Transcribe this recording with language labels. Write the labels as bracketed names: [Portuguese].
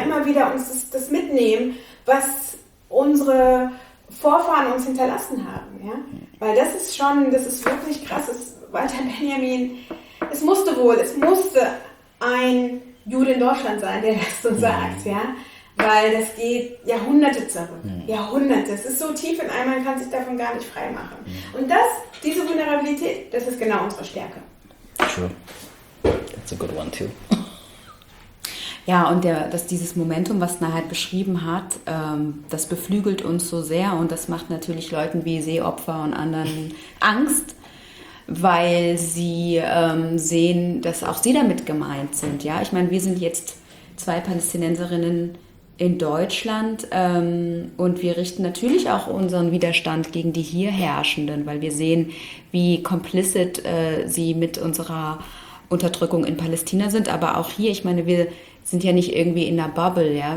[German] Immer wieder uns das mitnehmen, was unsere Vorfahren uns hinterlassen haben, ja, weil das ist schon, das ist wirklich krass, das Walter Benjamin, es musste ein Jude in Deutschland sein, der das so sagt, ja, weil das geht Jahrhunderte zurück, Jahrhunderte, es ist so tief in einem, man kann sich davon gar nicht frei machen. Und das, diese Vulnerabilität, das ist genau unsere Stärke. [English] True, that's a good one too. [German] Ja, und dass dieses Momentum, was Nahed halt beschrieben hat, das beflügelt uns so sehr und das macht natürlich Leuten wie Seeopfer und anderen Angst, weil sie sehen, dass auch sie damit gemeint sind. Ja, ich meine, wir sind jetzt zwei Palästinenserinnen in Deutschland und wir richten natürlich auch unseren Widerstand gegen die hier Herrschenden, weil wir sehen, wie complicit sie mit unserer Unterdrückung in Palästina sind, aber auch hier, ich meine, wir sind ja nicht irgendwie in einer Bubble, ja.